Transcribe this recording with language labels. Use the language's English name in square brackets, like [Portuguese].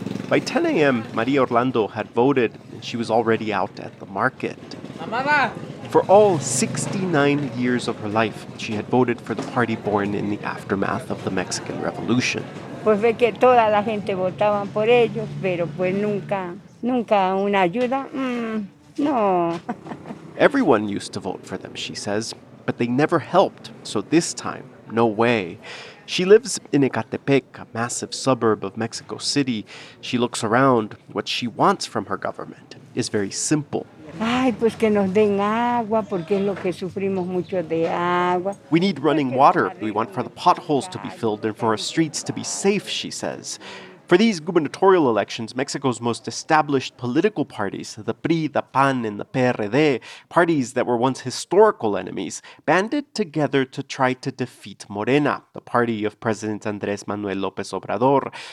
[English] By 10 a.m., Maria Orlando had voted, and she was already out at the market. [Spanish] Mamada! [English] For all 69 years of her life, she had voted for the party born in the aftermath of the Mexican Revolution. [Spanish] Pues ve que toda la gente votaba por ellos, pero pues nunca, nunca una ayuda. No. [English] Everyone used to vote for them, she says, but they never helped. So this time, no way. She lives in Ecatepec, a massive suburb of Mexico City. She looks around. What she wants from her government is very simple. [Spanish] Ay, pues que nos den agua, porque es lo que sufrimos mucho de agua. [English] We need running water. We want for the potholes to be filled and for our streets to be safe, she says. For these gubernatorial elections, Mexico's most established political parties, the PRI, the PAN, and the PRD, parties that were once historical enemies, banded together to try to defeat Morena, the party of President Andrés Manuel López Obrador.